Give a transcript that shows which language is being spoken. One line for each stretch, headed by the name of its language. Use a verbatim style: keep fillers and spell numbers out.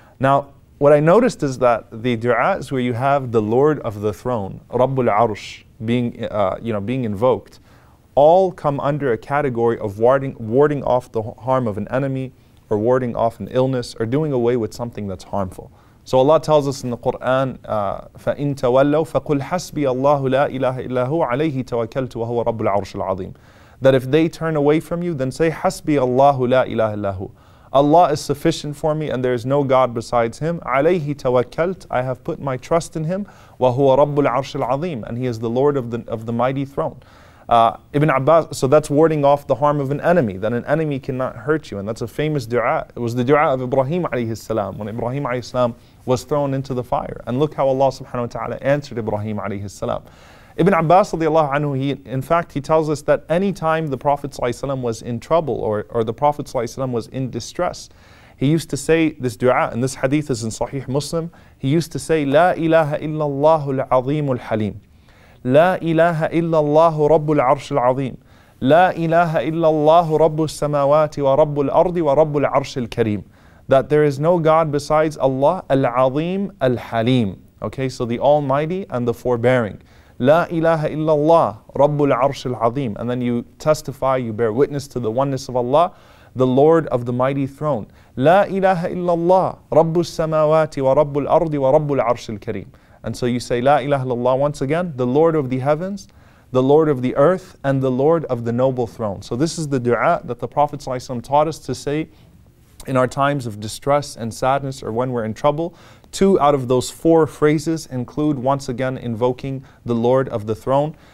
English: Now, what I noticed is that the du'as where you have the Lord of the throne, Rabbul Arsh, being uh, you know being invoked, all come under a category of warding warding off the harm of an enemy, or warding off an illness, or doing away with something that's harmful. So Allah tells us in the Quran,
Arabic: فَإِن تَوَلَّوْا فَقُلْ حَسْبِيَ اللَّهُ لَا إِلَهَ إِلَّا هُوَ عَلَيْهِ تَوَكَّلْتُ وَهُوَ رَبُّ الْعَرْشِ الْعَظِيمِ.
English: That if they turn away from you, then say,
Arabic: حَسْبِيَ اللَّهُ لَا إِلَهَ إِلَّا هُوَ.
English: Allah is sufficient for me and there is no God besides Him.
Arabic: عَلَيْهِ تَوَكَّلْتُ,
English: I have put my trust in Him.
Arabic: وَهُوَ رَبُّ الْعَرْشِ الْعَظِيمِ,
English: and He is the Lord of the, of the mighty throne. Uh, Ibn Abbas, so that's warding off the harm of an enemy, that an enemy cannot hurt you, and that's a famous dua. It was the dua of Ibrahim alayhi salam, when Ibrahim alayhi salam was thrown into the fire, and look how Allah subhanahu wa ta'ala answered Ibrahim alayhi salam. Ibn Abbas radiallahu anhu, he, in fact he tells us that any time the Prophet sallallahu alayhi wasallam was in trouble, or, or the Prophet sallallahu alayhi wasallam was in distress, he used to say this dua, and this hadith is in Sahih Muslim, he used to say,
Arabic: La ilaha illallah al-azimul halim. لا إله إلا الله رب العرش العظيم لا إله إلا الله رب السماوات ورب الأرض ورب العرش الكريم.
English: That there is no God besides Allah, Al-Azim, Al-Halim. Okay, so the Almighty and the Forbearing.
Arabic: لا إله إلا الله رب العرش العظيم.
English: And then you testify, you bear witness to the oneness of Allah, the Lord of the mighty throne.
Arabic: لا إله إلا الله رب السماوات ورب الأرض ورب العرش الكريم.
English: And so you say,
Arabic: La ilaha illallah,
English: once again, the Lord of the heavens, the Lord of the earth, and the Lord of the noble throne. So this is the dua that the Prophet ﷺ taught us to say in our times of distress and sadness or when we're in trouble. Two out of those four phrases include, once again, invoking the Lord of the throne.